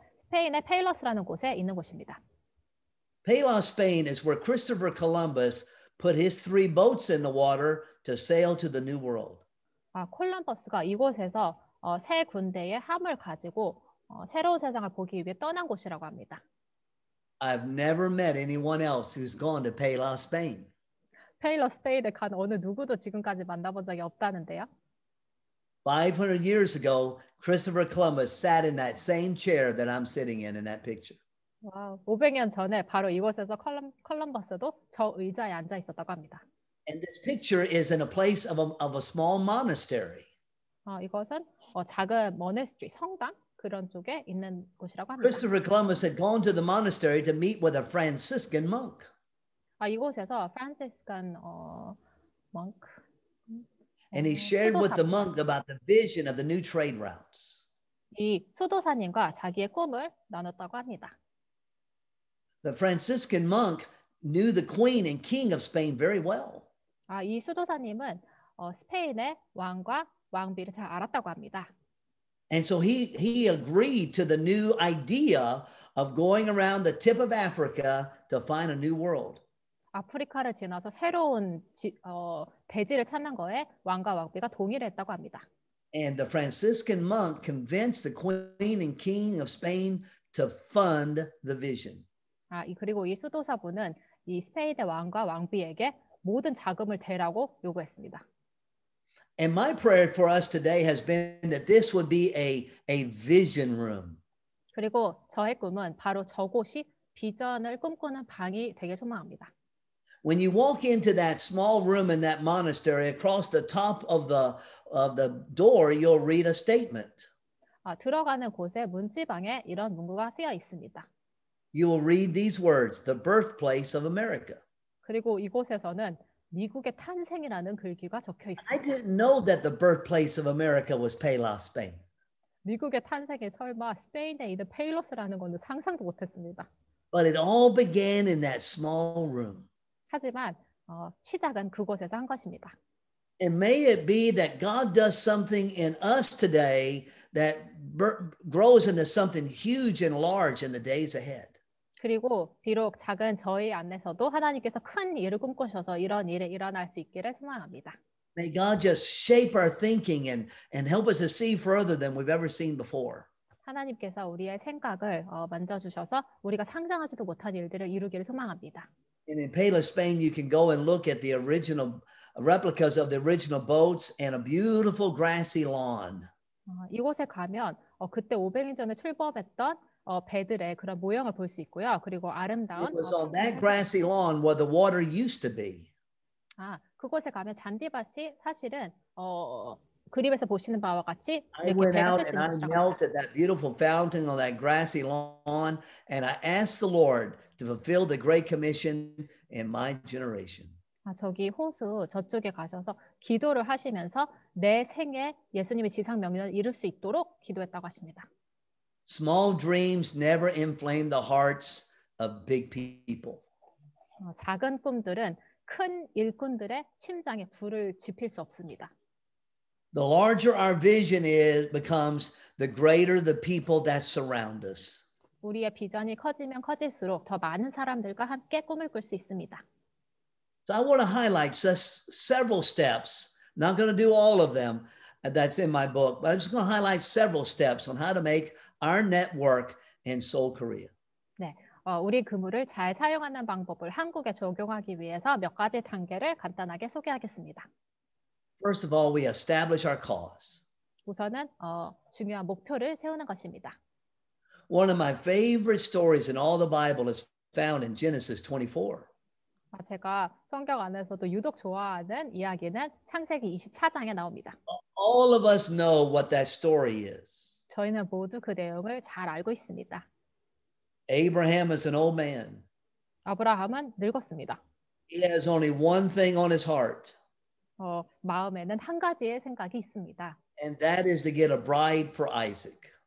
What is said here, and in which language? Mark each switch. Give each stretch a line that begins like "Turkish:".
Korean: 스페인의 페일로스라는 곳에 있는 곳입니다.
English: Palos, Spain is where Christopher Columbus put his three boats in the water to sail to the New World.
Korean: 콜럼버스가 이곳에서 세 군데의 함을 가지고 새로운 세상을 보기 위해 떠난 곳이라고 합니다.
English: I've never met anyone else who's gone to Palos, Spain.
Korean: 페일러 스페인에 간 어느 누구도 지금까지 만나본 적이 없다는데요.
English: 500 years ago, Christopher Columbus sat in that same chair that I'm sitting in that picture.
Korean: 500년 전에 바로 이곳에서 콜럼버스도 저 의자에 앉아 있었다고 합니다.
English: And this picture is in a place of a small monastery.
Korean: 이것은 작은 monastery, 성당 그런 쪽에 있는 곳이라고 합니다.
English: Christopher Columbus had gone to the monastery to meet with a Franciscan monk.
Korean: 이곳에서 프란시스칸 monk.
English: And he shared with the monk about the vision of the new trade routes.
Korean: 이 수도사님과 자기의 꿈을 나눴다고 합니다.
English: The Franciscan monk knew the queen and king of Spain very well.
Korean: 이 수도사님은 스페인의 왕과 왕비를 잘 알았다고 합니다.
English: And so he agreed to the new idea of going around the tip of Africa to find a new world.
Korean: 아프리카를 지나서 새로운 대지를 찾는 거에 왕과 왕비가 동의를 했다고 합니다.
English: And the Franciscan monk convinced the queen and king of Spain to fund the vision.
Korean: 그리고 이 수도사분은 이 스페인의 왕과 왕비에게 모든 자금을 대라고 요구했습니다.
English: And my prayer for us today has been that this would be a vision room.
Korean: 그리고 저의 꿈은 바로 저곳이 비전을 꿈꾸는 방이 되길 소망합니다.
English: When you walk into that small room in that monastery, across the top of the door, you'll read a statement.
Korean: 들어가는 곳에 문지방에 이런 문구가 쓰여 있습니다.
English: You will read these words, the birthplace of America.
Korean: 그리고 이곳에서는 미국의 탄생이라는 글귀가 적혀 있습니다.
English: I didn't know that the birthplace of America was Palos, Spain.
Korean: 미국의 탄생에 설마 스페인에 있는 페일로스라는 것은 상상도 못했습니다.
English: But it all began in that small room.
Korean: 하지만 시작은 그곳에서 한 것입니다.
English: And may it be that God does something in us today that grows into something huge and large in the days ahead.
Korean: 그리고 비록 작은 저희 안에서도 하나님께서 큰 일을 꿈꾸셔서 이런 일이 일어날 수 있기를 소망합니다.
English: May God just shape our thinking and help us to see further than we've ever seen before.
Korean: 하나님께서 우리의 생각을 만져 주셔서 우리가 상상하지도 못한 일들을 이루기를 소망합니다.
English: And in Palo, Spain, you can go and look at the original replicas of the original boats and a beautiful grassy lawn.
Korean: 이곳에 가면 그때 500년 전에 출범했던 배들의 그런 모형을 볼 수 있고요. 그리고 아름다운
English: It was on that grassy lawn where the water used to be.
Korean: 아, 그곳에 가면 잔디밭이 사실은 그림에서 보시는 바와 같이
English: I went out and I knelt at that beautiful fountain on that grassy lawn and I asked the Lord to fulfill the great commission in my generation.
Korean: 아, 저기 호수 저쪽에 가셔서 기도를 하시면서 내 생에 예수님의 지상 명령을 이룰 수 있도록 기도했다고 하십니다.
English: Small dreams never inflame the hearts of big people.
Korean: 작은 꿈들은 큰 일꾼들의 심장에 불을 지필 수 없습니다.
English: The larger our vision is becomes the greater the people that surround us.
Korean: 우리의 비전이 커지면 커질수록 더 많은 사람들과 함께 꿈을 꿀 수 있습니다.
English: So I want to highlight just several steps. Not going to do all of them that's in my book, but I'm just going to highlight several steps on how to make our network in Seoul, Korea.
Korean: 네. 우리 그물을 잘 사용하는 방법을 한국에 적용하기 위해서 몇 가지 단계를 간단하게 소개하겠습니다.
English: First of all, we establish our cause.
Korean: 우선은 중요한 목표를 세우는 것입니다.
English: One of my favorite stories in all the Bible is found in Genesis 24.
Korean: 제가 성경 안에서도 유독 좋아하는 이야기는 창세기 24장에 나옵니다.
English: All of us know what that story is.
Korean: 저희는 모두 그 내용을 잘 알고 있습니다.
English: Abraham is an old man.
Korean: 아브라함은 늙었습니다.
English: He has only one thing on his heart.
Korean: 마음에는 한 가지의 생각이 있습니다.
English: And that is to get a bride for Isaac.